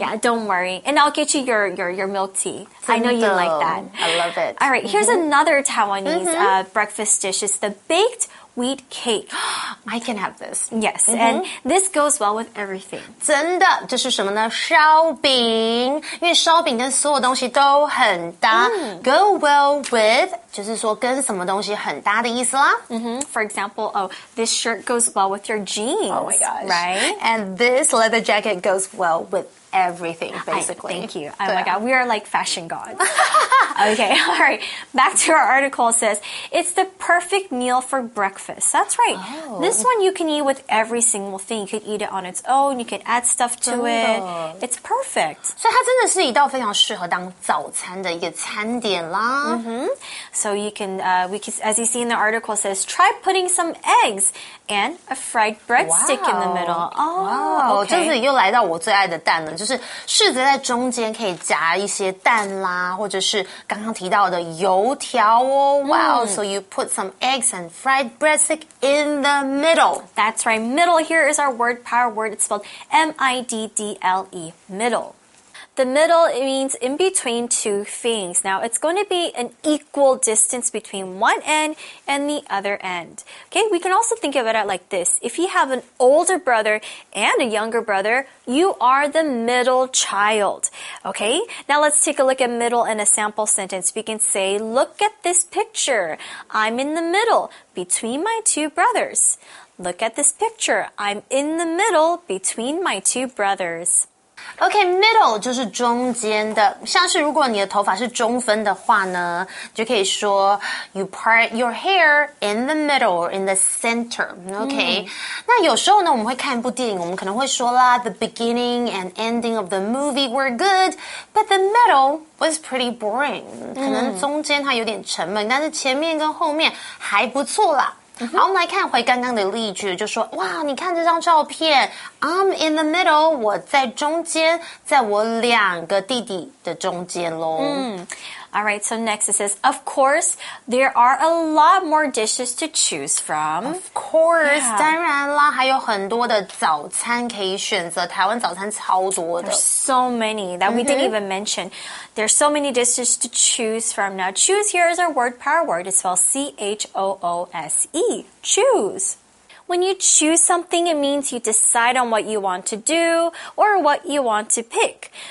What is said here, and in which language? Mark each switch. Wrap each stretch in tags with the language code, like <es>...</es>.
<en>Yeah, don't worry. And I'll get you your milk tea. I know you like that. I love it. All right, here's another Taiwanese breakfast dish. It's the baked wheat cake. I can have this. Yes, and this goes well with everything.</en> <zh>真的，这是什么呢？烧饼，因为烧饼跟所有东西都很搭。</zh> <en>Go well with</en> <zh>就是说跟什么东西很搭的意思啦。</zh> <en>For example, oh, this shirt goes well with your jeans. Oh my gosh. Right? And this leather jacket goes well with everything, basically. Thank you. Oh my god, we are like fashion gods. Okay, all right. Back to our article. It says, it's the perfect meal for breakfast. That's right. Oh. This one you can eat with every single thing. You could eat it on its own. You could add stuff to it. It's perfect.</en> <zh>所以它真的是一道非常适合当早餐的一个餐点啦。</zh> <en>So you can, as you see in the article, it says, try putting some eggs and a fried breadstick in the middle. Oh, okay.</en> <zh>就是又来到我最爱的蛋了。就是柿子在中间可以夹一些蛋啦，或者是刚刚提到的油条哦</zh> <en>Wow, so you put some eggs and fried breadstick in the middle. That's right, middle here is our word, power word. It's spelled M-I-D-D-L-E, middle. The middle means in between two things. Now, it's going to be an equal distance between one end and the other end. Okay, we can also think of it like this. If you have an older brother and a younger brother, you are the middle child. Okay, now let's take a look at middle in a sample sentence. We can say, look at this picture. I'm in the middle between my two brothers. Look at this picture. I'm in the middle between my two brothers.</en> <zh>OK, middle 就是中间的。像是如果你的头发是中分的话呢，就可以说</zh> <en>you part your hair in the middle, in the center.</en> <zh>OK,那有时候呢，我们会看一部电影，我们可能会说啦</zh> <en>the beginning and ending of the movie were good, but the middle was pretty boring.</en> <zh>可能中间它有点沉闷，但是前面跟后面还不错啦。好，我们来看回刚刚的例句，就说哇，你看这张照片 ，</zh> <en>I'm in the middle，</en> <zh>我在中间，在我两个弟弟的中间咯。</zh> <en>All right, so next it says, of course, there are a lot more dishes to choose from. Of course,</en> <zh>当然啦，还有很多的早餐可以选择，台湾早餐超多的。</zh> <en>There's so many that we didn't even mention. There's so many dishes to choose from. Now, choose here is our word, power word. It's spelled C-H-O-O-S-E, choose. When you choose something, it means you decide on what you want to do or what you want to pick.</en>